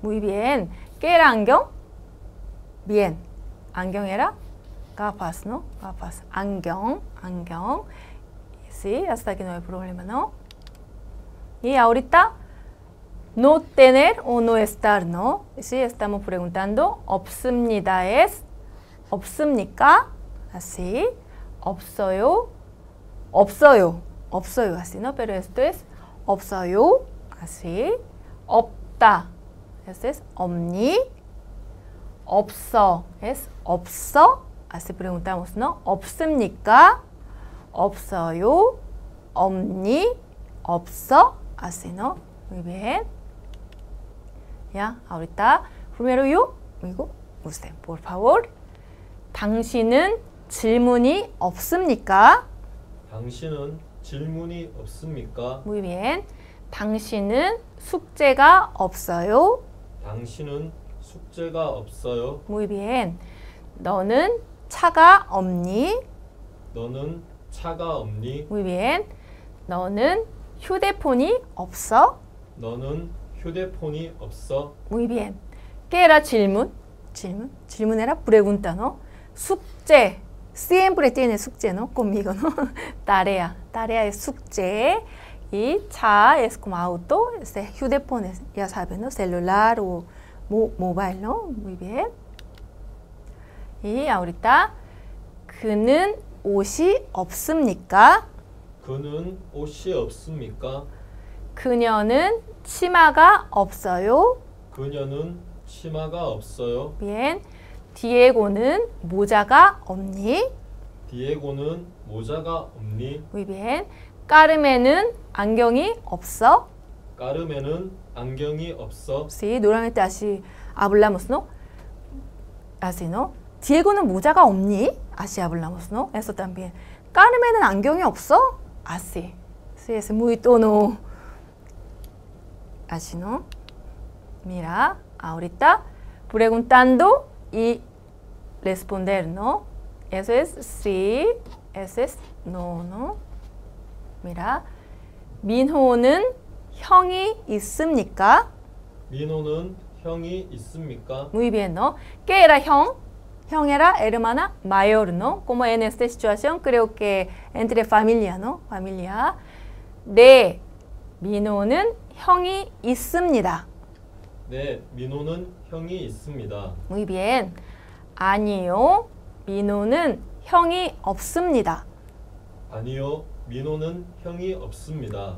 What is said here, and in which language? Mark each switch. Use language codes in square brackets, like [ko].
[es] Muy bien. 깨라 안경? Bien. 안경 era? Gafas, ¿no? Gafas. [ko] 안경, 안경. [es] Sí, hasta aquí no hay problema, ¿no? Y ahorita no tener o no estar, ¿no? Sí, estamos preguntando. [ko] 없습니다 es 없습니까? Así. 없어요. 없어요. 없어요. Así, ¿no? [es] Pero esto es 없어요. [ko] Así. 없다. Esto es 없니. 없어. [es] Es 없어. Así preguntamos, ¿no? [ko] 없습니까? 없어요. 없니. 없어. [es] Así, ¿no? Muy bien. Ya, ahorita, primero yo, luego usted, por favor. [ko] 당신은 질문이 없습니까? 당신은 질문이 없습니까? [es] Muy bien. [ko] 당신은 숙제가 없어요? 당신은 숙제가 없어요? [es] Muy bien. [ko] 너는 차가 없니? 너는 차가 없니? [es] Muy bien. [ko] 너는 휴대폰이 없어? 너는 휴대폰이 없어? Muy bien. 깨라 질문. 질문. 질문해라. [es] Pregunta, ¿no? [ko] 숙제. [es] Siempre tiene 숙제, ¿no? Conmigo, ¿no? Tarea. Tarea es 숙제. Y 차 es como auto. Este, 휴대폰 es, ya saben, ¿no? Celular o mobile, ¿no? Muy bien. Y ahorita, [ko] 그는 옷이 없습니까? 그는 옷이 없습니까? 그녀는 치마가 없어요? 그녀는 치마가 없어요? [es] Bien. [ko] Diego는 모자가 없니? Diego는 모자가 없니? [es] Muy bien. [ko] Carmen은 안경이 없어? Carmen은 안경이 없어? [es] Sí, nuevamente así hablamos, ¿no? Así, ¿no? [ko] Diego는 모자가 없니? [es] Así hablamos, ¿no? Eso también. [ko] Carmen은 안경이 없어? [es] Así. Sí, es muy tono. Así, ¿no? Mira, ahorita preguntando y responder, ¿no? Eso es sí, eso es no, ¿no? [ko] Mira, ¿Minho는 형이 있습니까? ¿Minho는 형이 있습니까? [es] Muy bien, ¿no? ¿Qué era 형? [ko] 형 era [es] hermana mayor, ¿no? Como en esta situación, creo que entre familia, ¿no? Familia. [ko] 네, ¿Minho는 형이 있습니다? 네, 민호는 형이 있습니다. [es] Muy bien. [ko] 아니요, 민호는 형이 없습니다. 아니요, 민호는 형이 없습니다.